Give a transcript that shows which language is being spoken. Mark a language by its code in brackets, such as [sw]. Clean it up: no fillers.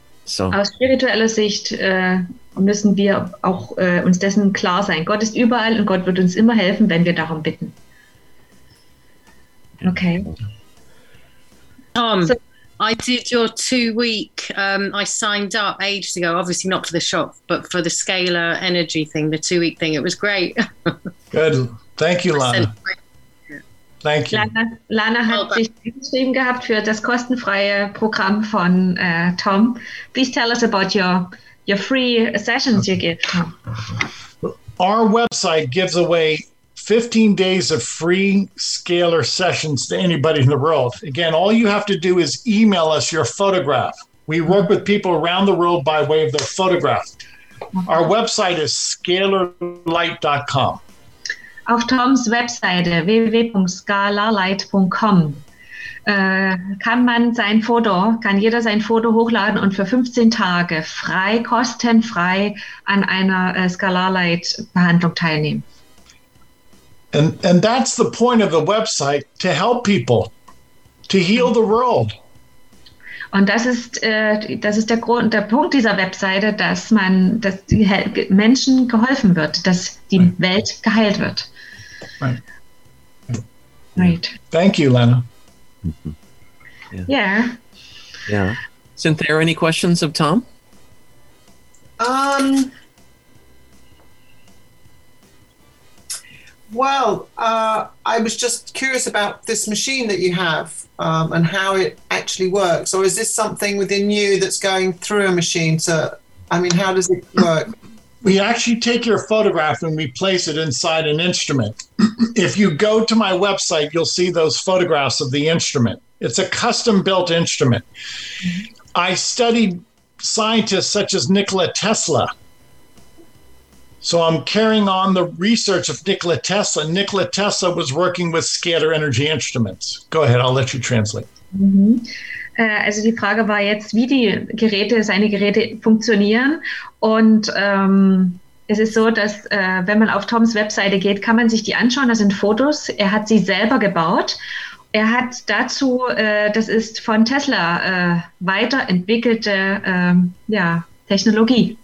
[en] So. [de] Aus spiritueller Sicht müssen wir auch uns dessen klar sein. Gott ist überall und Gott wird uns immer helfen, wenn wir darum bitten. [en] Okay. Tom, I did your two-week, I signed up ages ago, obviously not for the shop, but for the scalar energy thing, the two-week thing. It was great. Good. Thank you, Lana. Thank you. [de] Lana hat sich geschrieben gehabt für das kostenfreie Programm von Tom. [en] Please tell us about your free sessions you give, Tom. Our website gives away 15 days of free scalar sessions to anybody in the world. Again, all you have to do is email us your photograph. We work with people around the world by way of their photograph. Our website is scalarlight.com. [de] Auf Toms Webseite www.scalarlight.com kann jeder sein Foto hochladen und für 15 Tage frei, kostenfrei an einer Scalarlight-Behandlung teilnehmen. [en] And that's the point of the website, to help people, to heal the world. [de] Und das ist der Grund, der Punkt dieser Webseite, dass die Menschen geholfen wird, dass die [en] right. [de] Welt geheilt wird. [en] Right. Thank you, Lana. Mm-hmm. Yeah. Yeah. Cynthia, any questions of Tom? Well, I was just curious about this machine that you have and how it actually works. Or is this something within you that's going through a machine? How does it work? We actually take your photograph and we place it inside an instrument. If you go to my website, you'll see those photographs of the instrument. It's a custom-built instrument. I studied scientists such as Nikola Tesla. So I'm carrying on the research of Nikola Tesla. Nikola Tesla was working with scalar energy instruments. Go ahead, I'll let you translate. [de] Also die Frage war jetzt, wie die Geräte, seine Geräte funktionieren. Und es ist so, dass wenn man auf Toms Webseite geht, kann man sich die anschauen. Das sind Fotos. Er hat sie selber gebaut. Er hat dazu, das ist von Tesla weiterentwickelte, Technologie.